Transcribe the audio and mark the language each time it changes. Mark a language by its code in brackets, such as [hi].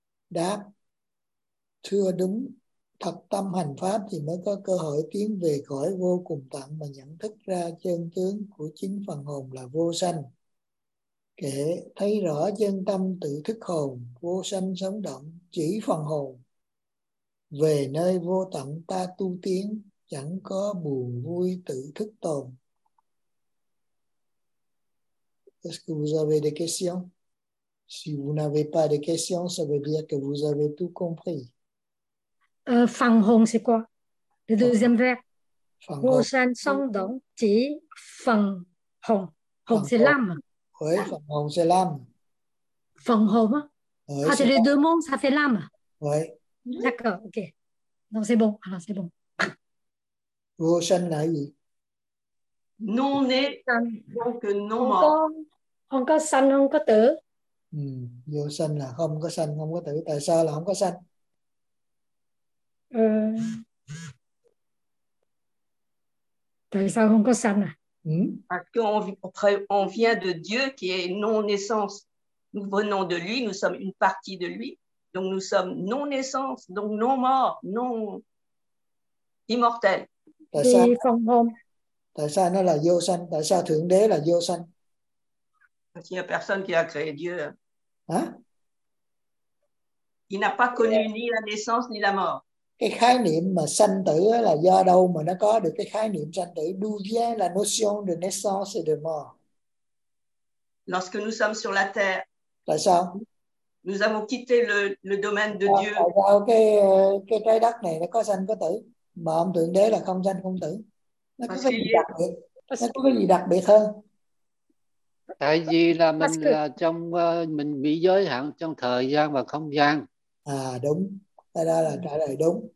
[vi] Đáp, thưa đúng, thật tâm hành pháp thì mới có cơ hội tiến về khỏi vô cùng tận mà nhận thức ra chân tướng của chính phần hồn là vô sanh. Kể thấy rõ chân tâm tự thức hồn, vô sanh sống động, chỉ phần hồn. Về nơi vô tận ta tu tiến, chẳng có buồn vui tự thức tồn. [fr] Est-ce que vous avez des questions? Si vous n'avez pas de questions, ça veut dire que vous avez tout compris. [vi] Phần hồn [fr] c'est quoi? Le deuxième verbe. [vi] Vô sanh sống động chỉ phần hồn. Hồn [fr] c'est l'âme. Oui, [vi] phần hồn [fr] c'est l'âme. [vi] Phần hồn á? [fr] Ah, c'est les deux mots, ça fait l'âme. Oui. D'accord, ok. Donc c'est bon, alors c'est bon. [vi] Vô sanh là gì? [fr] Non né, donc non mort. [vi] Không có sanh, không có tử. Vô sanh là không có sanh, không có tử. Tại sao là không có sanh? Tại sao không có sanh à? [fr] Parce qu'on vient de Dieu qui est non-naissance. Nous venons de lui, nous sommes une partie de lui. Donc nous sommes non-naissance, donc non mort, non immortel. [vi] Tại sao? Thì phần hồn. Tại sao nó là vô sanh? Tại sao Thượng Đế là vô sanh? [fr] Parce qu'il n'y a personne qui a créé Dieu. [vi] Hả? [fr] Il n'a pas connu ni la naissance ni la mort. [vi] Cái khái niệm mà sanh tử là do đâu mà nó có được cái khái niệm sanh tử? [fr] D'où vient la notion de naissance et de mort? Lorsque nous sommes sur la terre. [vi] Tại sao? [fr] Nous avons quitté le domaine de Dieu. [vi] Tại sao cái trái đất này nó có sanh có tử? Mà ông Thượng Đế là không sanh không tử. Nó có cái gì đặc biệt? Nó có cái gì đặc biệt hơn? Tại vì là mình là trong mình bị giới hạn trong thời gian và không gian. À đúng. Tại đó là trả lời đúng.